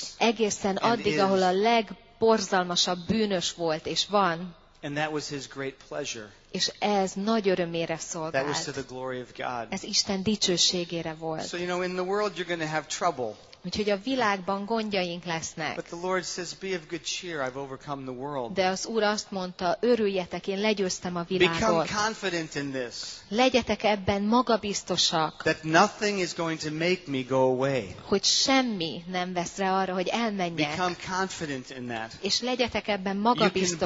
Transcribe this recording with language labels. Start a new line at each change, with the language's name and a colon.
Hungarian: Egészen addig, ahol a legborzalmasabb bűnös volt és van.
English: And that was his great pleasure.
Hungarian: És ez nagy örömére szolgált.
English: That was to the glory of God.
Hungarian: Ez Isten dicsőségére volt.
English: So you know, in the world you're going to have trouble.
Hungarian: Úgyhogy a világban gondjaink lesznek.
English: But the Lord says, be of good cheer, I've overcome the world.
Hungarian: De az Úr azt mondta, örüljetek, én legyőztem a világot.
English: Become confident in this.
Hungarian: Legyetek ebben magabiztosak.
English: That nothing is going to make me go away.
Hungarian: Hogy semmi nem vesz rá arra, hogy elmenjek.
English: Become confident in that.
Hungarian: És legyetek ebben magabiztosak.